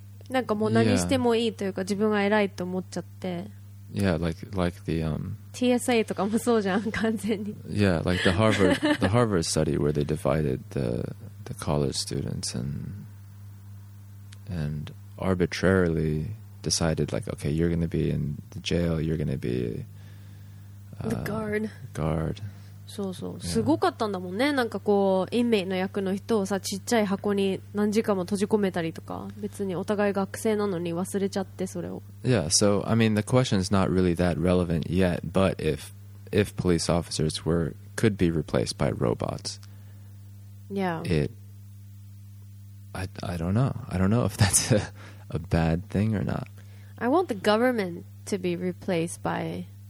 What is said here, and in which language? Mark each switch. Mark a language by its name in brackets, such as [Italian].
[Japanese] なんかもう何してもいいというか、自分が偉いと思っちゃって。 [English] Yeah, like the [Japanese] TSA とかもそうじゃん、完全に。 [English] Yeah, like the Harvard the Harvard study where they divided the college students and arbitrarily decided like, okay, you're going to be in the jail, you're going to be the guard. Guard. [Japanese] そうそう、すごかったんだもんね。なんかこうインメイの役の人をさ、ちっちゃい箱に何時間も閉じ込めたりとか、別にお互い学生なのに忘れちゃってそれを。 [English] Yeah, so I mean the question is not really that relevant yet, but if police officers could be replaced by robots. Yeah. I don't know if that's a bad thing or not. I want the government to be replaced by